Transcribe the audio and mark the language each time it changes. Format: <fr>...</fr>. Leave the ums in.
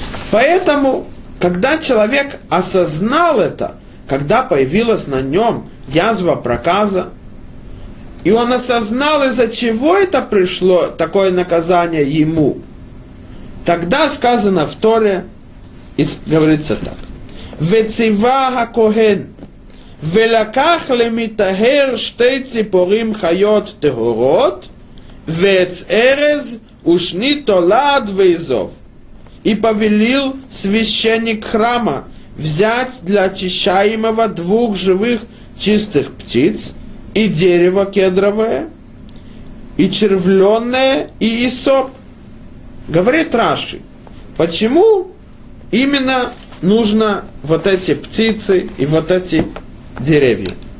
<ru>Поэтому, когда человек осознал это, когда появилась на нем язва проказа. И он осознал, из-за чего это пришло, такое наказание ему. Тогда сказано в Торе, и говорится так.</ru> <he>Вецива коген, ולקח למטהר שתי ציפורים חיות טהורות, ועץ ארז ושני תולד ואזוב.</he> <ru>И повелил священник храма взять для очищаемого двух живых чистых птиц, и дерево кедровое, и червленное, и исоп. Говорит Раши, почему именно нужно вот эти птицы и вот эти деревья?</ru>